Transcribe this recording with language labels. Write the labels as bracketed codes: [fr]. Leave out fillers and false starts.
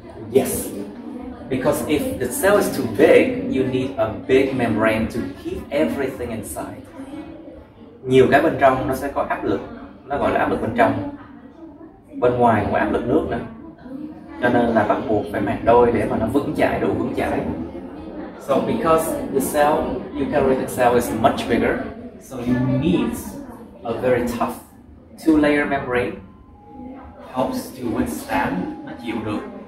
[en] Yes, because if the cell is too big, you need a big membrane to keep everything inside. [vi] Nhiều cái bên trong nó sẽ có áp lực, nó gọi là áp lực bên trong. Bên ngoài ngoài áp lực nước nữa. Cho nên là bắt buộc phải màng đôi để mà nó vững chãi, đủ vững chãi. [en] So because the cell, eukaryotic cell is much bigger, so you need a very tough two-layer membrane. Helps to withstand, [vi] nó chịu được.